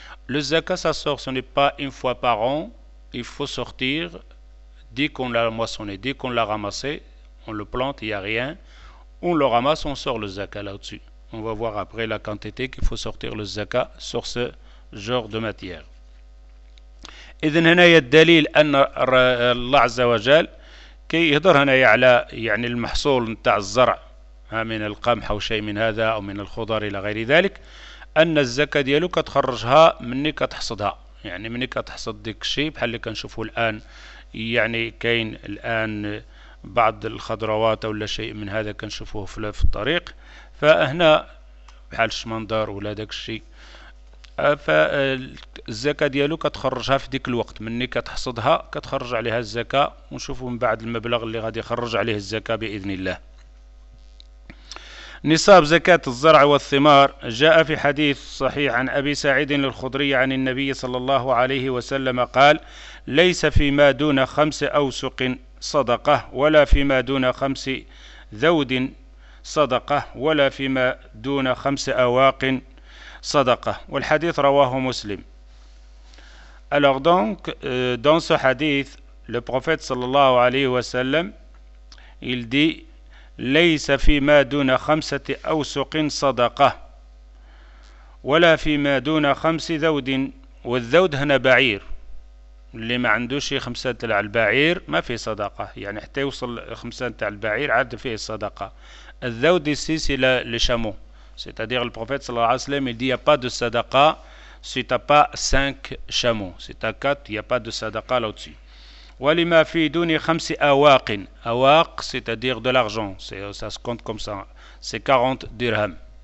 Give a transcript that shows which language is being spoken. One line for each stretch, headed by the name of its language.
French: Le zakat, ça sort, ce n'est pas une fois par an. Il faut sortir dès qu'on l'a moissonné, dès qu'on l'a ramassé, on le plante, il n'y a rien. On le ramasse, on sort le zakat là-dessus. On va voir après la quantité qu'il faut sortir le zakat sur ce genre de matière.
Arabic: إذن هنا الدليل أن الله عز وجل كي يهضر هنا على يعني المحصول نتاع الزرع من القمح أو شيء من هذا أو من الخضر إلى غير ذلك، أن الزكاة ديالو كتخرجها مني كتحصدها، يعني مني كتحصد ديك الشيء بحال اللي كنشوفوا الآن، يعني كاين الآن بعض الخضروات أو شيء من هذا كنشوفوه في الطريق، فهنا بحال الشمندر ولا داك الشيء. فالزكاة ديالو كتخرجها في ديك الوقت مني كتحصدها كتخرج عليها الزكاة، ونشوفوا من بعد المبلغ اللي غادي يخرج عليه الزكاة بإذن الله. نصاب زكاة الزرع والثمار جاء في حديث صحيح عن أبي سعيد الخضري عن النبي صلى الله عليه وسلم قال ليس فيما دون خمس أوسق صدقة، ولا فيما دون خمس ذود صدقة، ولا فيما دون خمس أواق صدقه. والحديث رواه مسلم.
French: Alors donc dans ce hadith le prophète sallallahu alayhi wa sallam il dit
Arabic: ليس فيما دون خمسة أوسق صدقة ولا فيما دون خمس ذود. والذود هنا بعير، اللي ما عندوش خمسة تاع البعير ما فيه صدقة، يعني حتى يوصل خمسة تاع البعير عاد فيه الصدقة. الذود السيسي لشامو،
French: c'est-à-dire le prophète sallallahu alayhi wa sallam il dit il n'y a pas de sadaqa si tu n'as pas 5 chameaux, si tu as 4 il n'y a pas de sadaqa là-dessus.
Arabic: وَلِمَا فِي دُونِ خَمْسِ أَوَاقٍ.
French: أَوَاق c'est-à-dire de l'argent, ça se compte comme ça, c'est 40 dirhams.